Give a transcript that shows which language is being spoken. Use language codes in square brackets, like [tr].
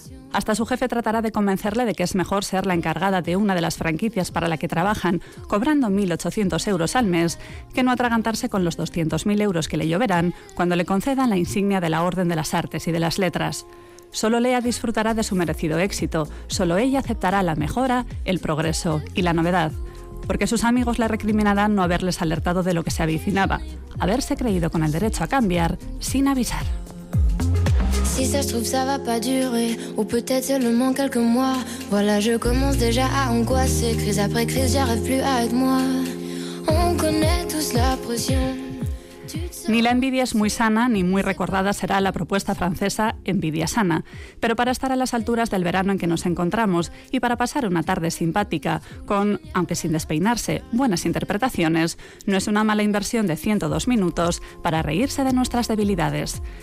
[es] Hasta su jefe tratará de convencerle de que es mejor ser la encargada de una de las franquicias para la que trabajan, cobrando 1.800 euros al mes, que no atragantarse con los 200.000 euros que le lloverán cuando le concedan la insignia de la Orden de las Artes y de las Letras. Solo Lea disfrutará de su merecido éxito, solo ella aceptará la mejora, el progreso y la novedad, porque sus amigos le recriminarán no haberles alertado de lo que se avicinaba, haberse creído con el derecho a cambiar sin avisar. [fr] Si ça se trouve ça va pas durer, ou peut-être seulement quelques mois. Voilà, je commence déjà à angoisser, crise après crise, j'arrive plus à être moi. On connaît tous la pression. [es] Ni la envidia es muy sana, ni muy recordada será la propuesta francesa Envidia Sana. Pero para estar a las alturas del verano en que nos encontramos y para pasar una tarde simpática con, aunque sin despeinarse, buenas interpretaciones, no es una mala inversión de 102 minutos para reírse de nuestras debilidades.